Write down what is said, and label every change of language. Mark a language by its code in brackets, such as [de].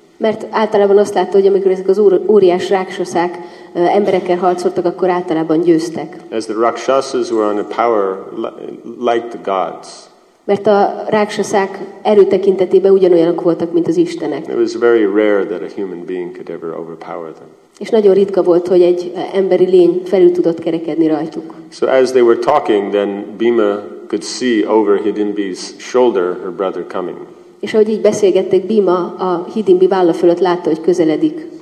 [hu] Mert általában azt látta, hogy amikor ezek az óriás rákssaszák emberekkel harcoltak, akkor általában győztek. [en] As the rakshasas were on a power like the gods. [hu] Mert a rákssaszák erőtekintetében ugyanolyanok voltak, mint az istenek. [en] It was very rare that a human being could ever overpower them. [hu] És nagyon ritka volt, hogy egy emberi lény felül tudott kerekedni rajtuk. [en] So as they were talking, then Bhima could see over Hidimbi's shoulder her brother coming. [hu] És ahogy így beszélgettek, Bhima a Hidimbi válla fölött látta, hogy közeledik.